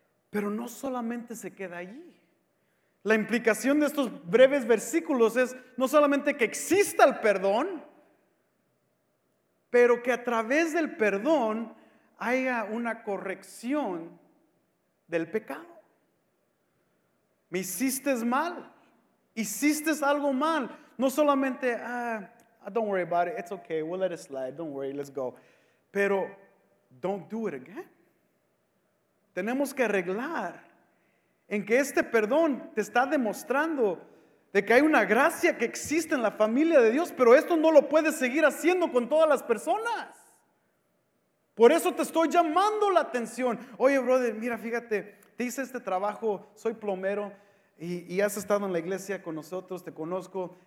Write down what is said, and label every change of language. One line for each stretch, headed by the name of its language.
Spanish: Pero no solamente se queda allí. La implicación de estos breves versículos es no solamente que exista el perdón, pero que a través del perdón haya una corrección del pecado. Me hiciste mal, hiciste algo mal, no solamente
English: don't worry about it, it's okay, we'll let it slide, don't worry, let's go.
Spanish: Pero,
English: don't do it again.
Spanish: Tenemos que arreglar en que este perdón te está demostrando de que hay una gracia que existe en la familia de Dios, pero esto no lo puedes seguir haciendo con todas las personas. Por eso te estoy llamando la atención. Oye, brother, mira, fíjate, te hice este trabajo, soy plomero, y has estado en la iglesia con nosotros, te conozco.